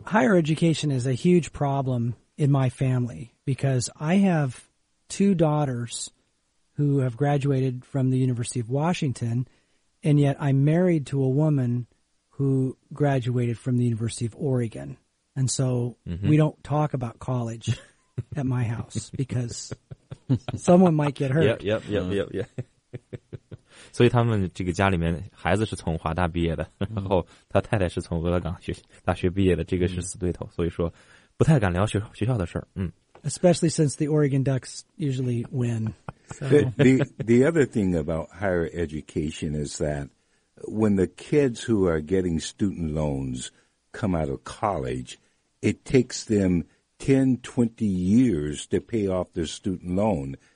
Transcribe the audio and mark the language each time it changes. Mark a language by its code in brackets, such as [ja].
[en] Well, higher education is a huge problem in my family because I have two daughters who have graduated from the University of Washington, and yet I'm married to a woman who graduated from the University of Oregon. And so we don't talk about college at my house because someone might get hurt. Yep. [zh] 所以他们这个家里面孩子是从华大毕业的，然后他太太是从俄勒冈大学毕业的，这个是死对头，所以说不太敢聊学校的事儿。 [en] Especially since the Oregon Ducks usually win. The other thing about higher education is that when the kids who are getting student loans come out of college, it takes them 10-20 years to pay off their student loan.